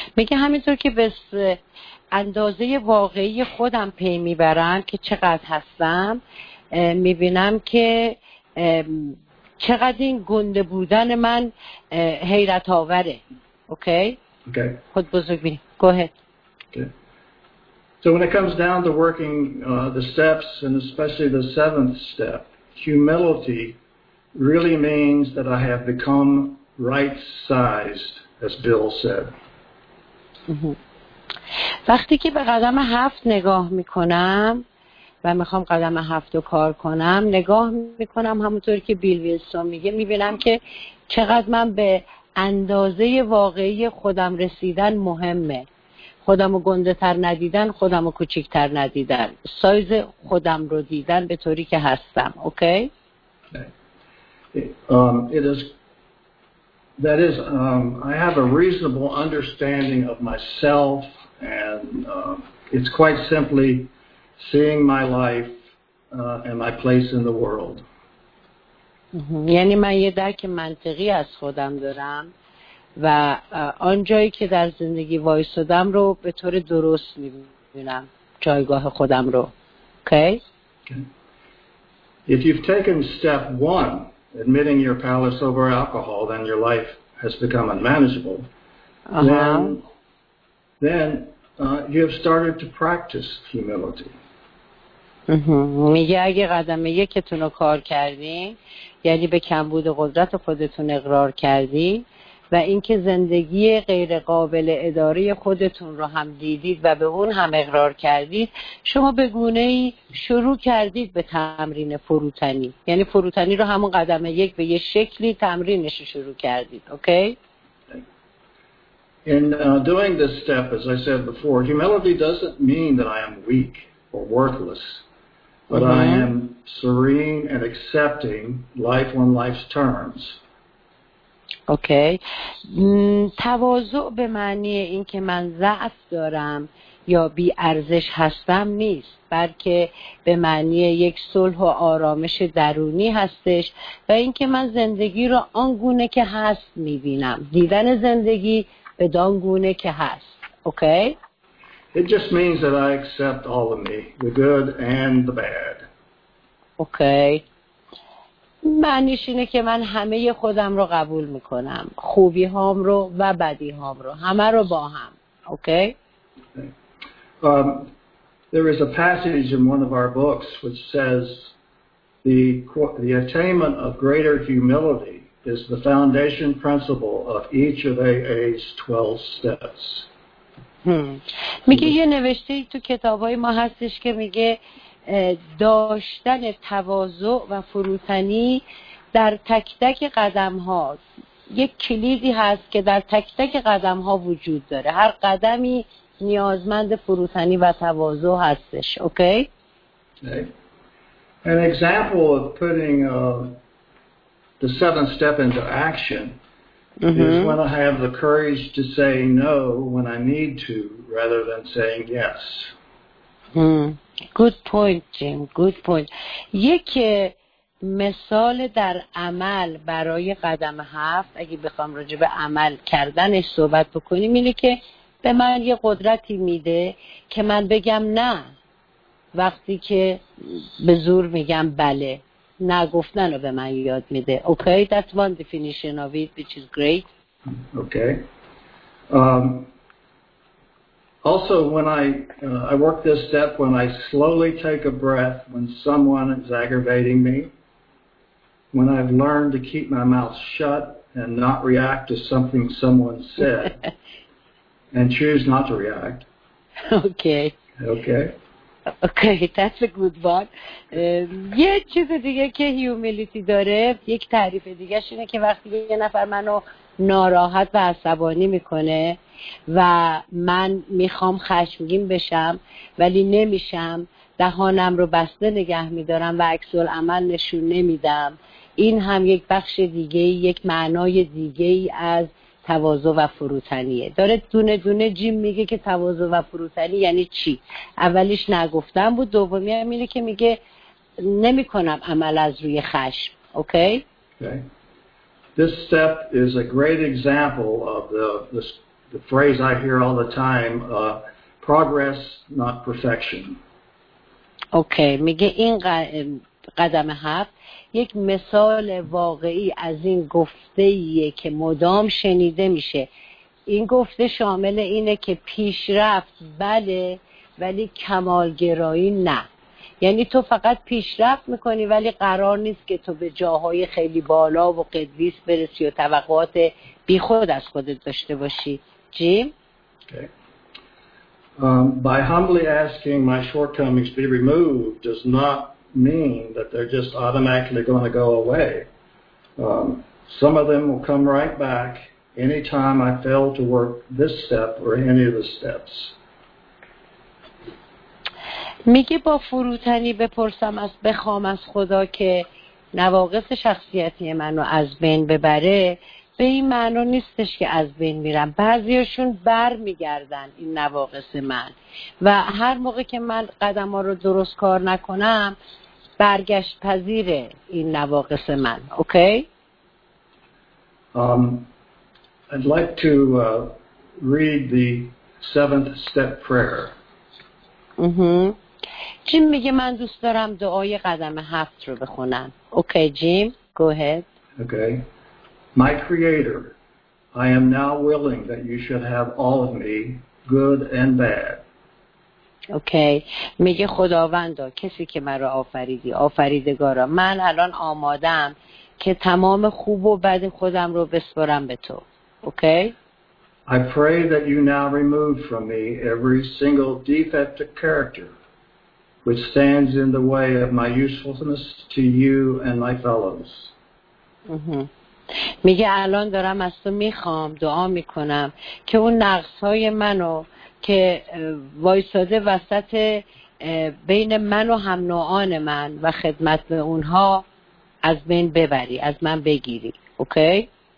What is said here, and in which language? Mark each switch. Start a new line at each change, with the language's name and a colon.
Persian: میگه همینطور که به اندازه واقعی خودم پی میبرم که چقدر هستم، میبینم که چقدر این گنده بودن من حیرت آوره.
English: Okay? Okay.
Persian: خود بزرگ بینیم.
English: Go ahead. Okay. So when it comes down to working the steps, and especially the seventh step, humility really means that I have become right-sized, as Bill said.
Persian: وقتی که به قدم هفت نگاه میکنم و میخوام قدم هفت رو کار کنم، نگاه میکنم همونطور که بیل ویلسون میگه، میبینم که چقدر من به اندازه واقعی خودم رسیدن مهمه. خودم رو گنده تر ندیدن، خودم رو کوچیک تر ندیدن، سایز خودم رو دیدن به طوری که هستم.
English: Okay? I have a reasonable understanding of myself and it's quite simply seeing my life and my place in the world.
Persian: یعنی من یه درک منطقی از خودم دارم و آن جایی که در زندگی وایسادم رو به طور درست می‌بینم، جایگاه خودم رو.
English: Okay? If you've taken step 1 admitting your palace over alcohol, then your life has become unmanageable. Then you have started to practice humility.
Persian: میگه اگه قدم یکتون رو کار کردی، یعنی به کمبود قدرت خودتون اقرار کردی و اینکه زندگی غیر قابل اداره خودتون رو هم دیدید و به اون هم اقرار کردید، شما به گونه ای شروع کردید به تمرین فروتنی، یعنی فروتنی رو همون قدم یک به یه شکلی تمرینش رو شروع کردید.
English: Okay? In doing this step, as I said before, humility doesn't mean that I am weak or worthless, but I am serene and accepting life on life's terms. Okay.
Persian: تواضع به معنی این که من ضعف دارم یا بی ارزش هستم نیست، بلکه به معنی یک صلح و آرامش درونی هستش و این که من زندگی رو آن گونه که هست می‌بینم. دیدن زندگی بدان گونه که هست.
English: Okay? It just means that I accept all of me, the good and the bad. Okay.
Persian: معنیش اینه که من همه خودم رو قبول میکنم، خوبی هام رو و بدی هام رو، همه رو با هم.
English: Okay? There is a passage in one of our books which says the attainment of greater humility is the foundation principle of each of AA's 12 steps.
Persian: میگه یه نوشته تو کتابای ما هستش که میگه داشتن تواضع و فروتنی در تک تک قدم ها یک کلیدی هست که در تک تک قدم ها وجود داره. هر قدمی نیازمند فروتنی و تواضع هستش.
English: Okay? An example of putting the seventh step into action is when I have the courage to say no when I need to rather than saying yes. Good point, Jim. Good point.
Persian: یک مثال در عمل برای قدم هفت، اگه بخوام راجع به عمل کردنش صحبت بکنیم، اینه که به من یه قدرتی میده که من بگم نه وقتی که به زور میگم بله. نگفتن رو به من یاد میده.
English: Okay, that's one definition of it, which is great. Okay. Also, when I work this step, when I slowly take a breath when someone is aggravating me, when I've learned to keep my mouth shut and not react to something someone said, and choose not to react. Okay. Okay. Okay, that's a good one.
Persian: یه چیز دیگه که humility داره، یک تعریف دیگه شینه که وقتی یه نفر منو ناراحت و عصبانی میکنه و من میخوام خشمگین بشم ولی نمیشم، دهانم رو بسته نگه میدارم و عکس العمل نشون نمیدم، این هم یک بخش دیگه، یک معنای دیگه از تواضع و فروتنیه. داره دونه دونه جیم میگه که تواضع و فروتنی یعنی چی. اولیش نگفتم بود، دومی هم اینه که میگه نمیکنم عمل از روی خشم.
English: Okay? This step is a great example of the phrase I hear all the time, progress, not perfection.
Persian: Okay, میگه این قدم هفت یک مثال واقعی از این گفته‌ایه که مدام شنیده میشه. این گفته شامل اینه که پیشرفت بله، ولی کمالگرایی نه. یعنی تو فقط پیشرفت میکنی ولی قرار نیست که تو به جاهای خیلی بالا و قدیس برسی و توقعات بی خود از خودت داشته باشی. جیم؟
English: By humbly asking my shortcomings be removed does not mean that they're just automatically going to go away. Some of them will come right back any time I fail to work this step or any of the steps.
Persian: میگه با فروتنی بپرسم از بخوام از خدا که نواقص شخصیتی منو از بین ببره، به این معنا نیستش که از بین میرم. بعضیاشون بر میگردن این نواقص من و هر موقع که من قدم ها رو درست کار نکنم برگشت پذیره این نواقص من.
English: Okay? I'd like to read the seventh step prayer.
Persian: جیم میگه من دوست دارم دعای قدم هفت رو بخونم. اوکی جیم؟
English: Go ahead. Okay. My Creator, I am now willing that you should have all of me, good and bad.
Persian: اوکی میگه خداوندا کسی که مرا آفریدی آفریدگارا من الان آمادم که تمام خوب و بد خودم رو بسپارم به تو اوکی
English: I pray that you now remove from me every single defect of character which stands in the way of my usefulness to you and my fellows
Persian: میگه الان دارم از تو میخوام دعا میکنم که اون نقص های منو که وایساده وسط بین من و هم نوعان من و خدمت به اونها از بین ببری از من بگیری اوکی